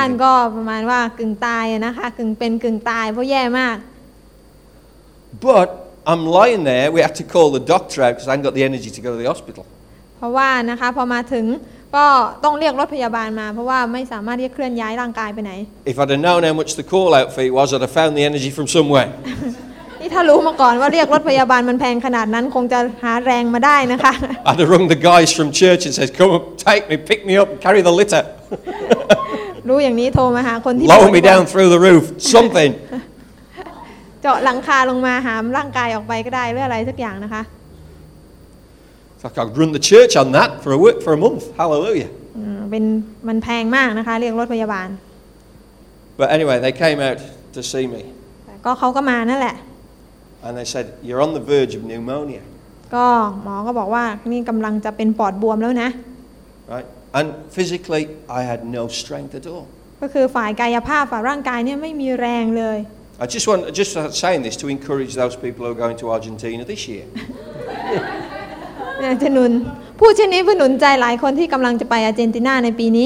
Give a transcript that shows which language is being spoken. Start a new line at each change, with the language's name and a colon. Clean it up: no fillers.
Thai: านก็ประมาณว่ากึ่งตายนะคะกึ่งเป็นกึ่งตายเพราะแย่มาก
English: But I'm lying there. We had to call the doctor out because I hadn't got the energy to go to the hospital.
Thai: เพราะว่านะคะพอมาถึงก็ต้องเรียกรถพยาบาลมาเพราะว่าไม่สามารถที่จะเคลื่อนย้ายร่างกายไปไหน
English: If I'd have known how much the call out fee was, I'd have found the energy from somewhere.
Thai: นี่ถ้ารู้มาก่อนว่าเรียกรถพยาบาลมันแพงขนาดนั้นคงจะหาแรงมาได้นะคะ
English: I'd have rung the guys from church and said, "Come up, take me, pick me up, and carry the litter."
Thai: รู้อย่างนี้โทรมาหาคนที่
English: Lower me down through the roof, something.
Thai: เจาะหลังคาลงมาหามร่างกายออกไปก็ได้หรืออะไรสักอย่างนะคะ
English: So I could run the church on that for a week for a month hallelujah
Thai: มันแพงมากนะคะเรียกรถพยาบาล
English: But anyway they came out to see me
Thai: ก็เขาก็มานั่นแหละ
English: And they said you're on the verge of pneumonia
Thai: ก็หมอก็บอกว่านี่กำลังจะเป็นปอดบวมแล้วนะ
English: Right and physically I had no strength at all
Thai: ก็คือฝ่ายกายภาพฝ่ายร่างกายเนี่ยไม่มีแรงเลย
English: I just saying this to encourage those people who are going to Argentina this year.
Thai: จะหนุนพูดเช่นนี้เพื่อหนุนใจหลายคนที่กำลังจะไปอาร์เจนตินาในปีนี